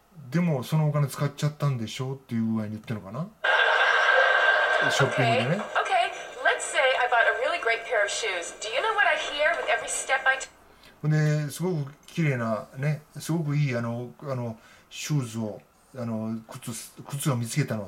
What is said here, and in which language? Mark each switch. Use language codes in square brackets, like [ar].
[ja] でもそのお金使っちゃったんでしょっていう具合に言ってるのかな、ショッピングでね。 [en] Okay, let's say I bought a really great pair of shoes. Do you know what I hear with every step I take? [ja] で、すごく綺麗なね、すごくいいあのシューズを靴を見つけたの。